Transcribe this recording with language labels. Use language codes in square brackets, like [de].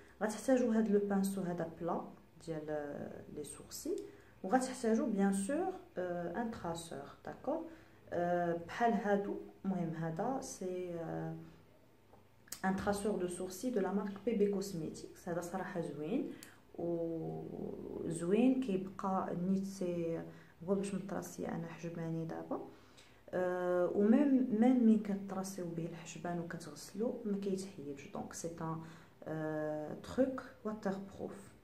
[ar] غتحتاجو هذا لو بانسو هذا بلان ديال لي سورسي، وغتحتاجو [fr] بيان سور ان تراسور. [ar] داكور، بحال هادو. [fr] المهم هذا سي un traceur de sourcils de la marque PB Cosmetics. [ar] هذا صراحه زوين وزوين كيبقى نيت، سي هو باش متراسي انا حجباني دابا، وميم مي كتراسيو به الحجبان وكتغسلو ما كيتحيدش. [fr] دونك سي ان تروك واتر بروف.